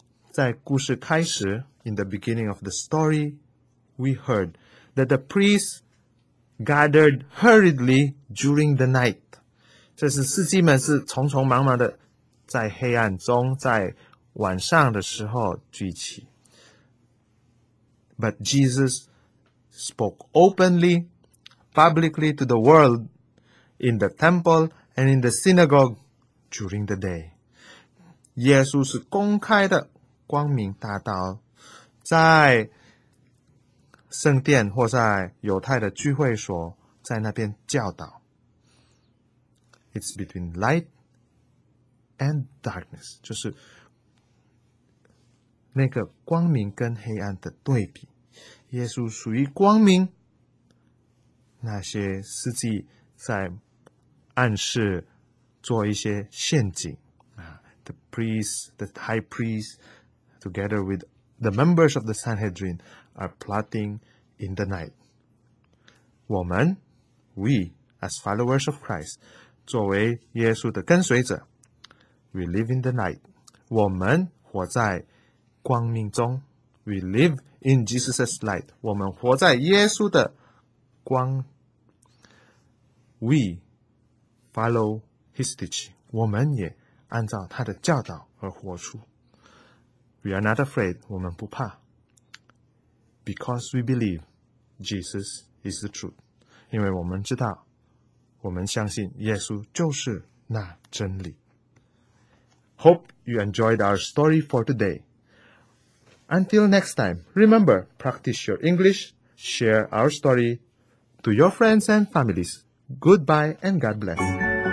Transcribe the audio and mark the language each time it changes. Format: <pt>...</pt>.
<zh>在故事开始</zh> <en>，in the beginning of the story， we heard that the priests gathered hurriedly during the night。</en> <zh>这是司祭们是匆匆忙忙的，在黑暗中，在晚上的时候聚集。</zh> <en>But Jesus spoke openly, publicly to the world in the temple and in the synagogue during the day。</en> <zh>耶稣是公开的。光明大道，在圣殿或在犹太的聚会所，在那边教导。</zh> <en>It's between light and darkness，</en> <zh>就是那个光明跟黑暗的对比。耶稣属于光明，那些司祭在暗示做一些陷阱啊。</zh> <en>The priest, the high priest。 Together with the members of the Sanhedrin are plotting in the night.</en> <zh>我们</zh> <en>we as followers of Christ,</en> <zh>作为耶稣的跟随者</zh> <en>we live in the night.</en> <zh>我们活在光明中</zh> <en>we live in Jesus' light.</en> <zh>我们活在耶稣的光</zh> <en>we follow his teaching.</en> <zh>我们也按照他的教导而活出。</zh> <en>We are not afraid,</en> <zh>我们不怕。</zh> <en>Because we believe Jesus is the truth.</en> <zh>因为我们知道，我们相信耶稣就是那真理。</zh> <en>Hope you enjoyed our story for today. Until next time, remember, practice your English, share our story to your friends and families. Goodbye and God bless.</en>